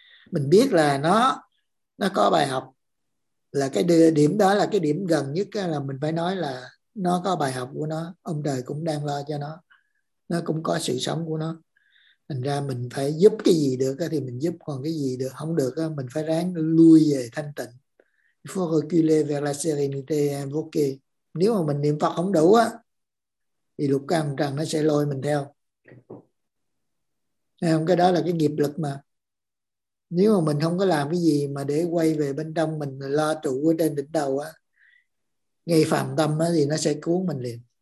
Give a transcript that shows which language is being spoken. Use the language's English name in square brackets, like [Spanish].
[Vietnamese] Mình biết là nó có bài học, là cái điểm đó là cái điểm gần nhất, là mình phải nói là nó có bài học của nó, ông trời cũng đang lo cho nó. Nó cũng có sự sống của nó. Thành ra mình phải giúp cái gì được thì mình giúp, còn cái gì được không được mình phải ráng lui về thanh tịnh. [French] Il faut reculer vers la sérénité invoquée. [Vietnamese] Nếu mà mình niệm Phật không đủ á thì lục căn trần nó sẽ lôi mình theo. Thấy không? Cái đó là cái nghiệp lực mà. Nếu mà mình không có làm cái gì mà để quay về bên trong mình lo trụ ở trên đỉnh đầu á, ngay phàm tâm á, thì nó sẽ cuốn mình liền.